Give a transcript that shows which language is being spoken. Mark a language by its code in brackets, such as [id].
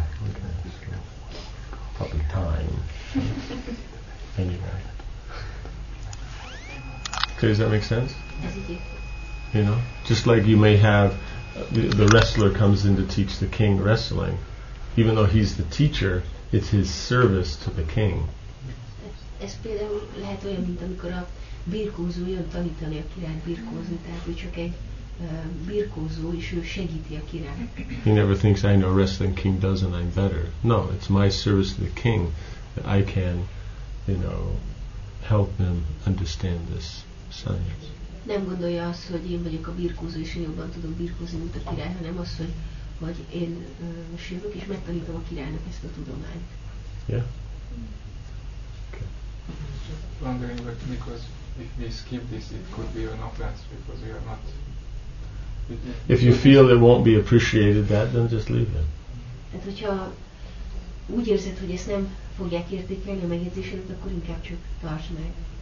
[en] Oh, okay. Probably time. Anyway. Okay, does that make sense? You know? Just like you may have the wrestler comes in to teach the king wrestling. Even though he's the teacher, it's his service to the king. [hu] Ez például lehet olyan, mint amikor a birkózó jön tanítani a király birkózni, tehát ő csak egy birkózó, és ő segíti a király. [en] He never thinks, I know wrestling, king does, and I'm better. No, it's my service to the king that I can, you know, help him understand this science. [hu] Nem gondolja azt, hogy én vagyok a birkózó, és én jobban tudom birkózni, mint a király, hanem azt, hogy vagy én most jövök, és megtanítom a királynak ezt a tudományt. [en] Yeah. Okay. Wondering what, because if we skip this, it could be an offense, because we are not. If you feel it won't be appreciated, that then just leave it. [hu] Hát hogyha úgy érzed, hogy ezt nem fogják értékelni a megjegyzésedet, akkor inkább csak tarts meg.